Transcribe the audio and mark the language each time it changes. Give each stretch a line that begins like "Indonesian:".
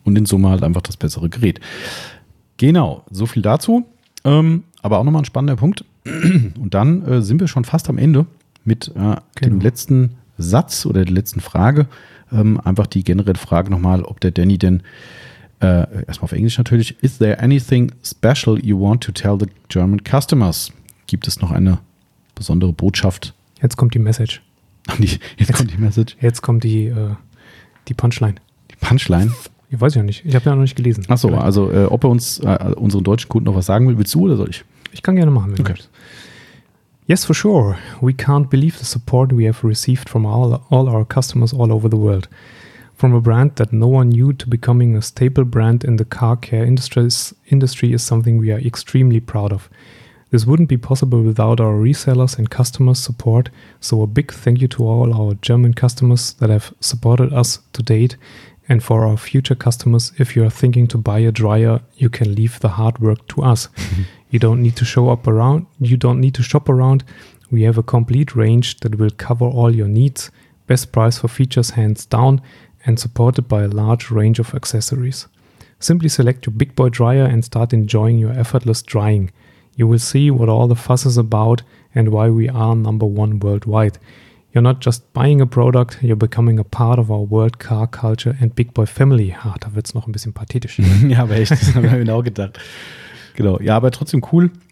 German: Und in Summe halt einfach das bessere Gerät. Genau, so viel dazu. Aber auch nochmal ein spannender Punkt. Und dann sind wir schon fast am Ende mit dem letzten Satz oder der letzten Frage. Einfach die generelle Frage nochmal, ob der Danny denn erstmal auf Englisch natürlich.
English: Is there anything special you want to tell the German customers?
German: Gibt es noch eine besondere Botschaft? Jetzt kommt die Message. Jetzt kommt die Message. Jetzt kommt die Punchline. Die Punchline? Ich weiß ja nicht. Ich habe ja noch nicht gelesen. Ach so, vielleicht. Also ob er uns, unseren deutschen Kunden noch was sagen will, willst du oder soll ich? Ich kann gerne machen, wenn du willst.
English: Yes, for sure. We can't believe the support we have received from all our customers all over the world. From a brand that no one knew to becoming a staple brand in the car care industry is something we are extremely proud of. This wouldn't be possible without our resellers and customers' support, so a big thank you to all our German customers that have supported us to date, and for our future customers, if you are thinking to buy a dryer, you can leave the hard work to us. You don't need to shop around. We have a complete range that will cover all your needs, best price for features hands down, and supported by a large range of accessories. Simply select your Big Boy dryer and start enjoying your effortless drying. You will see what all the fuss is about and why we are number one worldwide. You're not just buying a product, you're becoming a part of our world car culture and Big Boy family.
German: Ah, da wird es noch ein bisschen pathetisch. Ja, aber echt, das haben wir genau gedacht. Genau, ja, aber trotzdem cool.